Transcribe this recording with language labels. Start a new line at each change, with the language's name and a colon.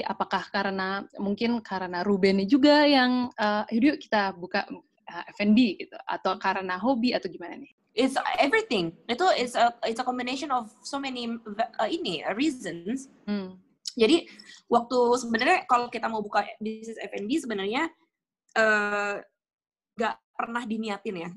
Indonesian: Apakah karena, mungkin karena Rubennya juga yang, yuk kita buka F&B gitu. Atau karena hobi atau gimana nih?
English: It's everything.
Indonesian: Itu
English: it's a combination of so many reasons. Hmm.
Indonesian: Jadi waktu sebenarnya kalau kita mau buka bisnis F&B sebenarnya gak pernah diniatin ya.